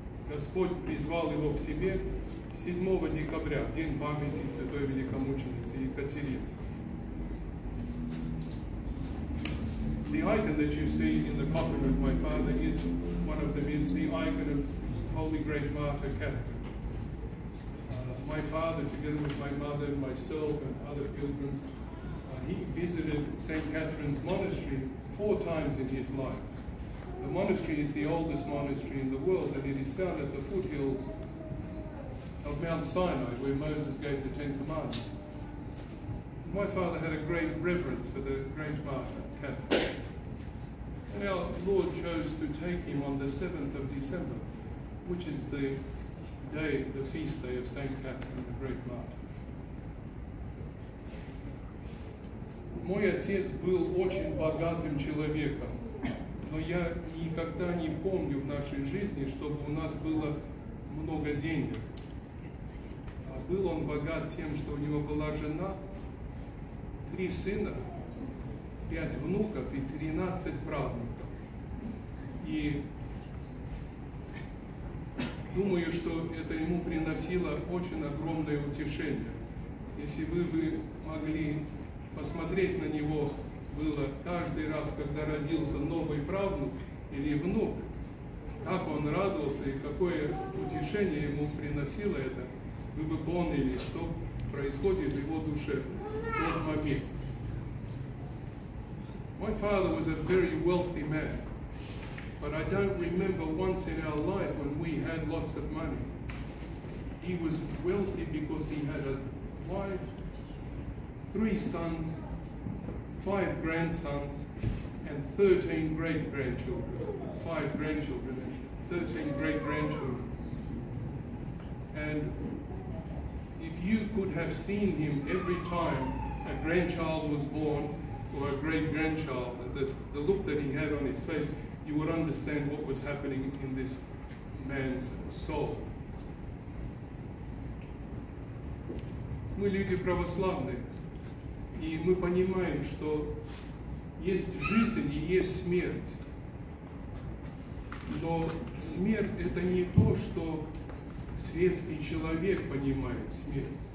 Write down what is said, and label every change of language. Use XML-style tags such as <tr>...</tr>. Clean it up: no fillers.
<ru>Господь призвал его к себе 7 декабря, день памяти святой великомученицы Екатерины.</ru> <en>The icon that you see in the coffin of my father is, one of them is the icon of Holy Great Martyr Catherine. My father, together with my mother and myself and other pilgrims, he visited St. Catherine's Monastery 4 times in his life. The monastery is the oldest monastery in the world, and it is found at the foothills of Mount Sinai, where Moses gave the 10 commandments. My father had a great reverence for the Great Martyr Catherine. And our Lord chose to take him on the 7th of December, which is the day, the feast day of St. Catherine the Great Martyr.</en> <ru>Мой отец был очень богатым человеком, но я никогда не помню в нашей жизни, чтобы у нас было много денег. А был он богат тем, что у него была жена, 3 сына, 5 внуков и 13 правнуков. И думаю, что это ему приносило очень огромное утешение. Если бы вы могли посмотреть на него, было каждый раз, когда родился новый правнук или внук, как он радовался и какое утешение ему приносило это, вы бы поняли, что происходит в его душе в тот момент.</ru> <en>My father was a very wealthy man, but I don't remember once in our life when we had lots of money. He was wealthy because he had a wife, 3 sons, 5 grandsons, and 13 great-grandchildren. 5 grandchildren and 13 great-grandchildren. And if you could have seen him every time a grandchild was born, or a great-grandchild, the look that he had on his face, you would understand what was happening in this man's soul.</en> <ru>мы люди православные, и мы понимаем, что есть жизнь и есть смерть. Но смерть — это не то, что светский человек понимает смерть.</ru>